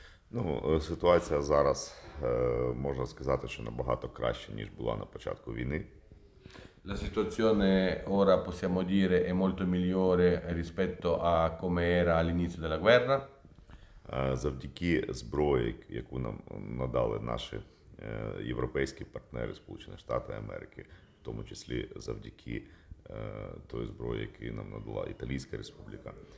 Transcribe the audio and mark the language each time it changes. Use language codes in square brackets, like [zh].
[uk] Ну, ситуація зараз, можна сказати, що набагато краще, ніж була на початку війни. [it] La situazione ora possiamo dire è molto migliore rispetto a come era all'inizio della guerra. [uk] Завдяки зброї, яку нам надали наші європейські партнери Сполучені Штати Америки, в тому числі завдяки той зброї, яку нам надала Італійська Республіка.